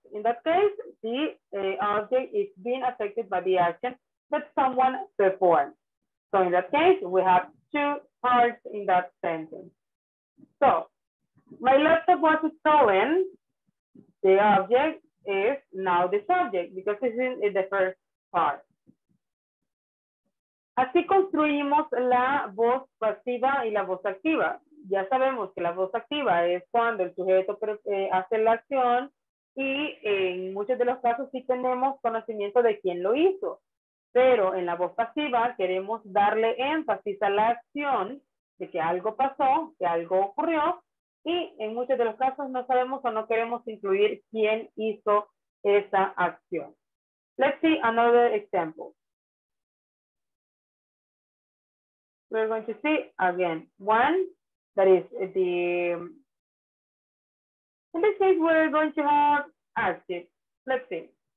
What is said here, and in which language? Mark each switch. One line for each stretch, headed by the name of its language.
English: In that case, the object is being affected by the action that someone performed. So in that case, we have two parts in that sentence. So my laptop was stolen. The object is now the subject because it's in the first part.
Spanish: Así construimos la voz pasiva y la voz activa. Ya sabemos que la voz activa es cuando el sujeto hace la acción y en muchos de los casos sí tenemos conocimiento de quién lo hizo. Pero en la voz pasiva queremos darle énfasis a la acción de que algo pasó, que algo ocurrió, y en muchos de los casos no sabemos o no queremos incluir quién hizo esa acción.
English: Let's see another example. We're going to see again one that is the, in this case, we're going to have active. Let's see.